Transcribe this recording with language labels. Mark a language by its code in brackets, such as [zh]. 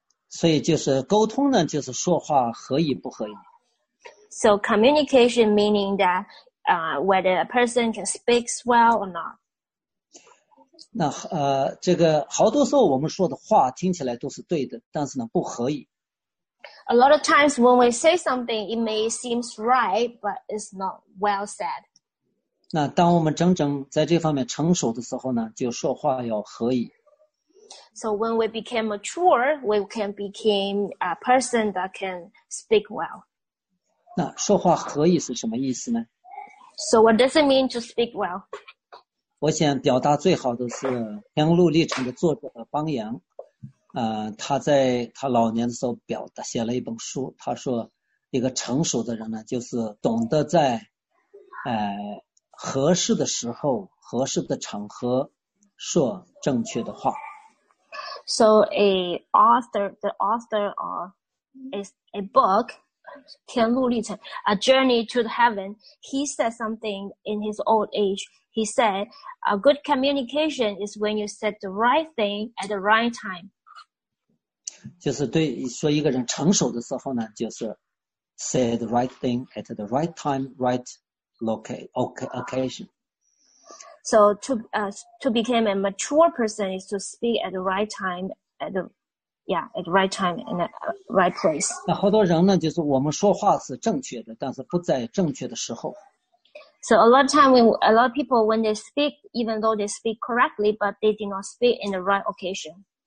[zh] 所以就是沟通呢，就是说话合意不合意。 [en] So communication meaning that whether a person can speak well or not. [zh] 那这个好多时候我们说的话听起来都是对的，但是呢不合意。 [en] A lot of times when we say something, it may seem right, but it's not well said. [zh] 那当我们真正在这方面成熟的时候呢，就说话要合意。 [en] So when we became mature, we can become a person that can speak well. [zh] 那说话合意是什么意思呢 [en] ？So what does it mean to speak well？ [zh] 我想表达最好的是《天路历程》的作者邦阳，他在他老年的时候表达写了一本书，他说一个成熟的人呢，就是懂得在合适的时候、合适的场合说正确的话。 [en] So the author of a book. 天路历程 A journey to the heaven. He said something in his old age. He said, "A good communication is when you said the right thing at the right time." 就是对说一个人成熟的时候呢，就是 say the right thing at the right time, right occasion. So to become a mature person is to speak at the right time at theYeah, at the right time and the right place. 那好多人呢，就是我们说话是正确的，但是不在正确的时候。 So a lot of time, when they speak, even though they speak correctly, but they did not speak in the right occasion.